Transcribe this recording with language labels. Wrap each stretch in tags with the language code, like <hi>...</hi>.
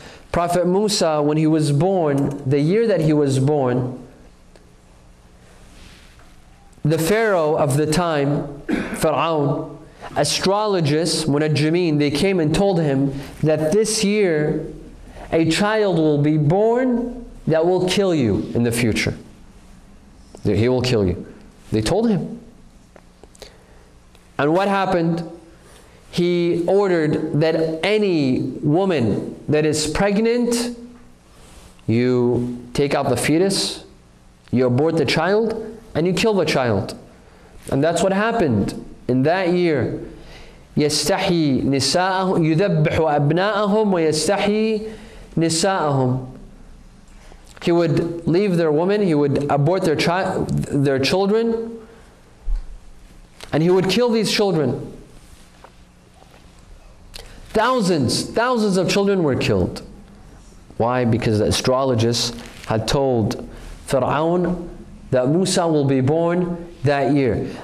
<en>Prophet Musa, when he was born, the year that he was born, the Pharaoh of the time, Pharaon, astrologists, Munajjimeen, they came and told him that this year a child will be born that will kill you in the future. He will kill you. They told him. And what happened? He ordered that any woman that is pregnant, you take out the fetus, you abort the child, and you kill the child. And that's what happened in that year.</en> <ar>يستحي نساءهم يذبح أبناءهم ويستحي نساءهم.</ar> <en>He would leave their woman, he would abort their children, and he would kill these children. Thousands of children were killed. Why? Because the astrologists had told Fir'aun that Musa will be born that year.</en>